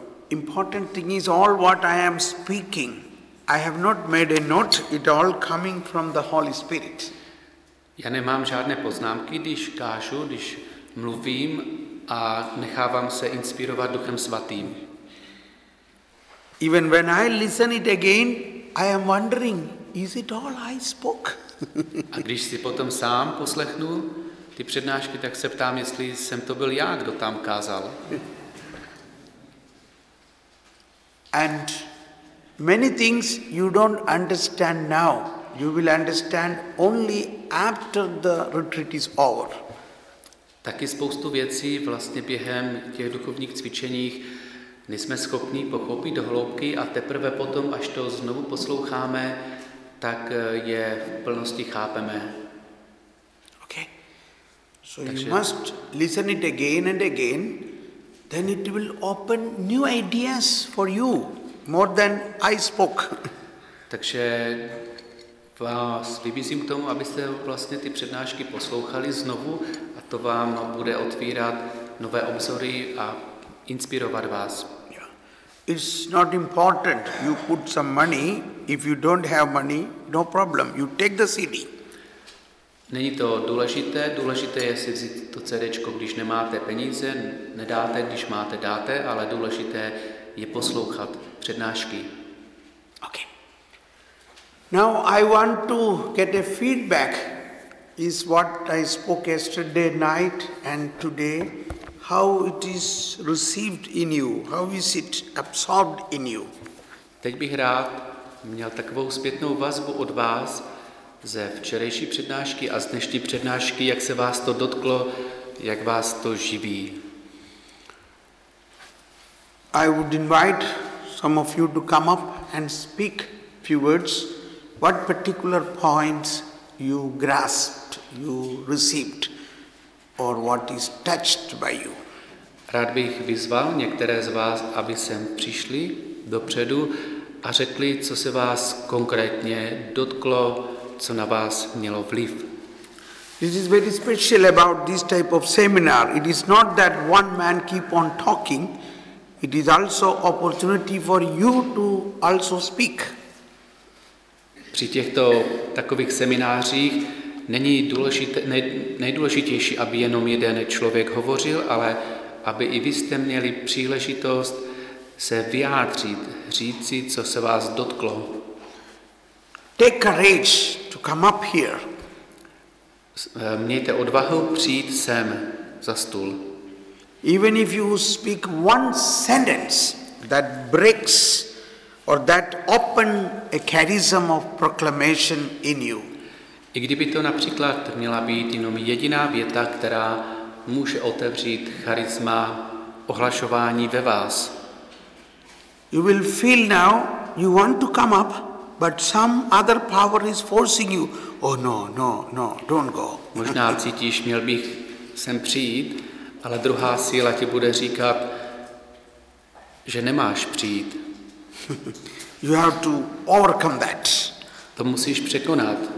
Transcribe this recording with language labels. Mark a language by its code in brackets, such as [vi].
[en] Important thing is all what I am speaking. I have not made a note. It all coming from the Holy Spirit. [cs] Já nemám žádné poznámky, když kážu, když mluvím a nechávám se inspirovat Duchem Svatým. [en] Even when I listen it again, I am wondering, is it all I spoke? [cs] A když si potom sám poslechnu ty přednášky, tak se ptám, jestli jsem to byl já, kdo tam kázal. [en] And many things you don't understand now, you will understand only after the retreat is over. [cs] Taky spoustu věcí vlastně během těch duchovních cvičeních nejsme schopni pochopit do hloubky a teprve potom, až to znovu posloucháme, tak je v plnosti chápeme. [en] Okay. So [cs] takže [en] you must listen it again and again, then it will open new ideas for you more than I spoke. [cs] Takže vás vybízím k tomu, abyste vlastně ty přednášky poslouchali znovu a to vám bude otvírat nové obzory a inspirovat vás. [en] It's not important you put some money, if you don't have money, no problem, you take the CD. [cs] Není to důležité, důležité je si vzít to CDčko, když nemáte peníze, nedáte, když máte, dáte, ale důležité je poslouchat přednášky. [en] Okay. Now I want to get a feedback is what I spoke yesterday night and today, how it is received in you, how is it absorbed in you. [cs] Teď bych rád měl takovou zpětnou vazbu od vás ze včerejší přednášky a z dnešní přednášky, jak se vás to dotklo, jak vás to živí. [en] I would invite some of you to come up and speak few words, what particular points you grasped, you received, or what is touched by you. [cs] Rád bych vyzval některé z vás, aby sem přišli dopředu a řekli, co se vás konkrétně dotklo, co na vás mělo vliv. [en] This is very special about this type of seminar. It is not that one man keep on talking. It is also opportunity for you to also speak. [cs] Při těchto takových seminářích není důležité, nejdůležitější, aby jenom jeden člověk hovořil, ale aby i vy jste měli příležitost se vyjádřit, říci, co se vás dotklo. [en] Take courage to come up here. [cs] Mějte odvahu přijít sem za stůl. [en] Even if you speak one sentence that breaks or that open a charism of proclamation in you. [cs] I kdyby to například měla být jenom jediná věta, která může otevřít charisma ohlašování ve vás. [en] You will feel now you want to come up, but some other power is forcing you. Oh no, no, no, don't go. [cs] Možná cítíš, měl bych sem přijít, ale druhá síla ti bude říkat, že nemáš přijít. [en] You have to overcome that. [cs] To musíš překonat.